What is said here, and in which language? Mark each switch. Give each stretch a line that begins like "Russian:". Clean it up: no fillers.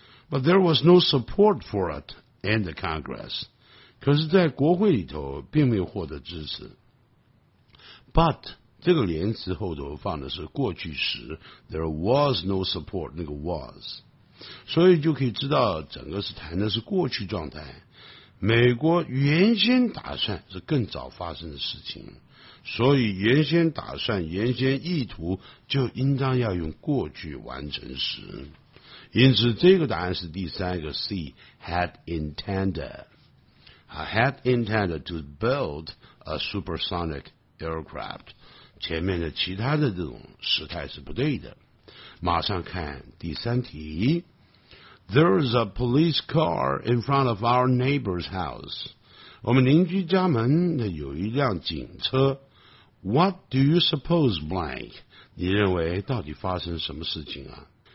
English: But there was no support for it in the Congress.
Chinese: 可是在国会里头并没有获得支持。 But, 这个连词后头放的是过去时
English: there was no support,
Chinese: 那个 was。所以就可以知道整个是谈的是过去状态。美国原先打算是更早发生的事情。所以原先打算原先意图就应当要用过去完成时。因此这个答案是第三个 C,
English: had intended, had intended to build a supersonic aircraft.
Chinese: 前面的其他的这种时态是不对的。马上看第三题。
English: There is a police car in front of our neighbor's house.
Chinese: 我们邻居家门有一辆警车。
English: What do you suppose, blank?
Chinese: 你认为到底发生什么事情啊？